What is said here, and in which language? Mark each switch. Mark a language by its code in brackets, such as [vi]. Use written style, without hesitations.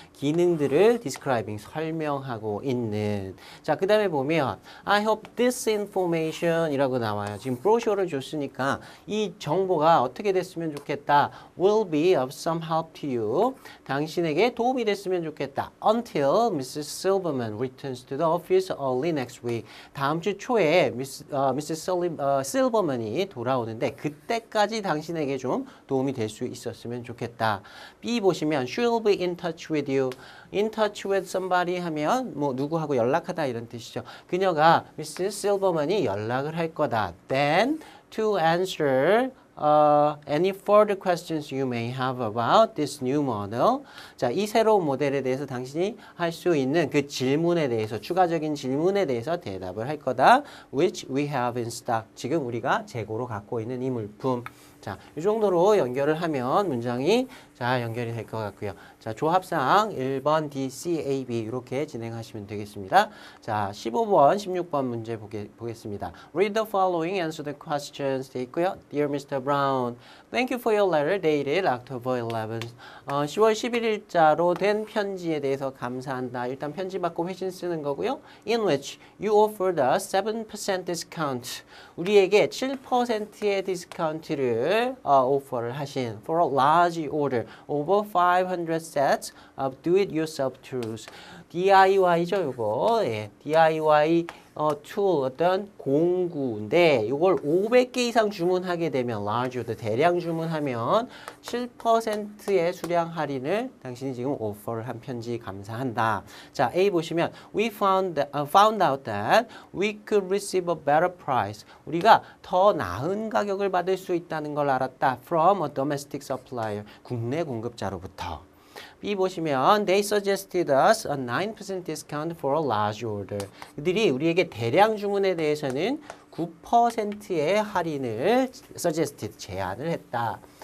[ko] 기능들을 describing, 설명하고 있는. 자, 그 다음에 보면 [en] I hope this information [ko] 이라고 나와요. 지금 브로슈어를 줬으니까 이 정보가 어떻게 됐으면 좋겠다. [en] Will be of some help to you. [ko] 당신 에게 도움이 됐으면 좋겠다. [en] Until Mrs. Silverman returns to the office early next week. [ko] 다음 주 초에 Mrs. Silverman이 돌아오는데 그때까지 당신에게 좀 도움이 될 수 있었으면 좋겠다. [en] B 보시면 She'll be in touch with you. In touch with somebody [ko] 하면 뭐 누구하고 연락하다 이런 뜻이죠. 그녀가 Mrs. Silverman이 연락을 할 거다. [en] Then to answer any further questions you may have about this new model. [ko] 자, 이 새로운 모델에 대해서 당신이 할 수 있는 그 질문에 대해서, 추가적인 질문에 대해서 대답을 할 거다. [en] Which we have in stock. [ko] 지금 우리가 재고로 갖고 있는 이 물품. 자, 이 정도로 연결을 하면 문장이 잘 연결이 될 것 같고요. 자, 조합상 1번 D, C, A, B 이렇게 진행하시면 되겠습니다. 자, 15번, 16번 문제 보겠습니다. [en] Read the following, answer the questions. [ko] 돼 있고요. [en] Dear Mr. Brown, thank you for your letter dated October 11th. [ko] 10월 11일자로 된 편지에 대해서 감사한다. 일단 편지 받고 회신 쓰는 거고요. [en] In which you offered a 7% discount. [ko] 우리에게 7%의 디스카운트를 오퍼를 하신 [en] for a large order over 500 sets of do-it-yourself tools. [ko] DIY죠, 이거. 예, DIY tool, 어떤 공구인데 이걸 500개 이상 주문하게 되면 large order, 대량 주문하면 7%의 수량 할인을 당신이 지금 오퍼를 한 편지 감사한다. [en] 자, A 보시면 we found out that we could receive a better price. [ko] 우리가 더 나은 가격을 받을 수 있다는 걸 알았다. [en] From a domestic supplier, [ko] 국내 공급자로부터. [en] B 보시면 they suggested us a 9% discount for a large order. [ko] 그들이 우리에게 대량 주문에 대해서는 9%의 할인을 suggested 제안을 했다.